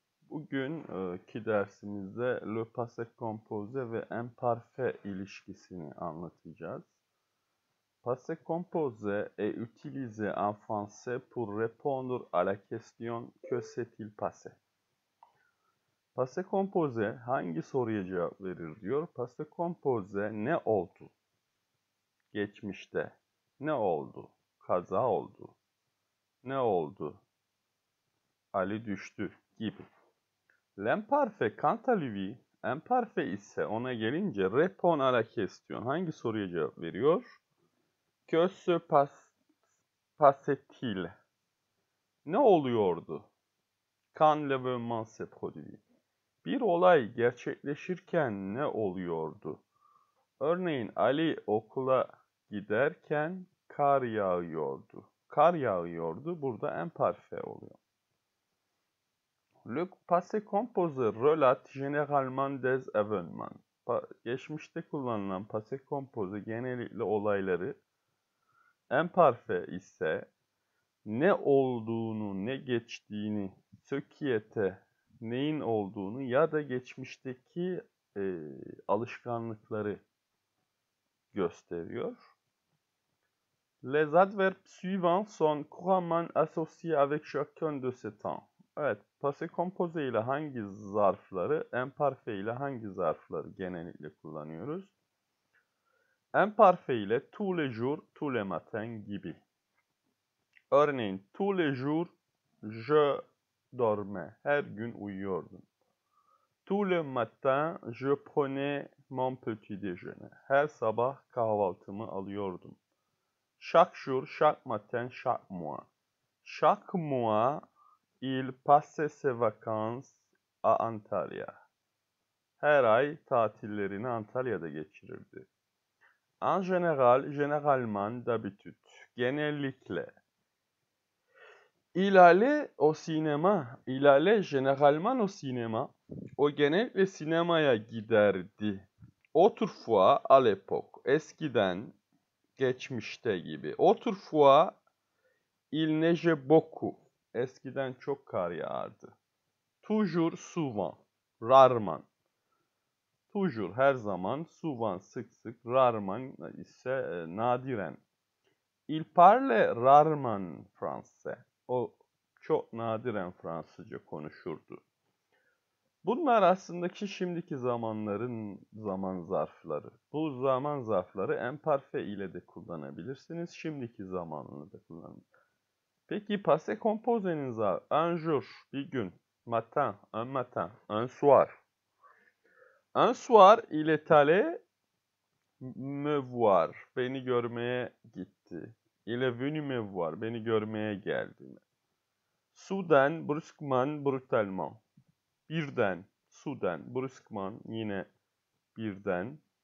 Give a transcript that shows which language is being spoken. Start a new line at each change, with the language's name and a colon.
Turkish: Bugünkü dersimizde le passé composé ve imparfait ilişkisini anlatacağız.
French: Passé composé est utilisé en français pour répondre à la question que s'est-il passé?
Turkish: Passé composé hangi soruya cevap verir diyor. Passé composé ne oldu? Geçmişte ne oldu? Kaza oldu. Ne oldu? Ali düştü gibi.
French: L'imparfait, quant à lui, imparfait
Turkish: ise ona gelince
French: répond à la question.
Turkish: Hangi soruya cevap veriyor?
French: Que se passait-il?
Turkish: Ne oluyordu?
French: Quand l'événement se produit.
Turkish: Bir olay gerçekleşirken ne oluyordu? Örneğin Ali okula giderken kar yağıyordu. Kar yağıyordu. Burada imparfait oluyor.
French: Le passé composé relate généralement des événements.
Turkish: Geçmişte kullanılan passé composé genellikle olayları, imparfait ise ne olduğunu, ne geçtiğini, sökiyete neyin olduğunu ya da geçmişteki alışkanlıkları gösteriyor.
French: Les adverbes suivants sont couramment associés avec chacun de ces temps.
Turkish: Evet, passé composé ile hangi zarfları, imparfait ile hangi zarfları genellikle kullanıyoruz?
French: Imparfait ile tous les jours, tous les matins gibi. Örneğin, tous les jours je dormais.
Turkish: Her gün uyuyordum.
French: Tous les matins je prenais mon petit déjeuner.
Turkish: Her sabah kahvaltımı alıyordum.
French: Chaque jour, chaque matin, chaque mois. Chaque mois, il passait ses vacances à Antalya.
Turkish: Her ay tatillerini Antalya'da geçirirdi.
French: En général, généralement, d'habitude. Genellikle. Il allait au cinéma. Il allait généralement au cinéma.
Turkish: O genellikle sinemaya giderdi.
French: Autrefois, à l'époque.
Turkish: Eskiden. Geçmişte gibi.
French: Autrefois, il neige beaucoup.
Turkish: Eskiden çok kar yağardı.
French: Toujours, souvent, rarement.
Turkish: Toujours, her zaman, souvent, sık sık, rarement ise nadiren.
French: Il parle rarement français.
Turkish: O çok nadiren Fransızca konuşurdu. Bunlar aslında ki şimdiki zamanların zaman zarfları. Bu zaman zarfları imparfait ile de kullanabilirsiniz. Şimdiki zamanını da kullanabilirsiniz. Peki passé composé'nin zarfı.
French: Un jour,
Turkish: bir gün.
French: Matin, un matin, un soir. Un soir, il est allé me voir.
Turkish: Beni görmeye gitti.
French: Il est venu me voir.
Turkish: Beni görmeye geldi.
French: Soudain, brusquement, brutalement.
Turkish: Birden,
French: soudain, brusquement,
Turkish: yine birden.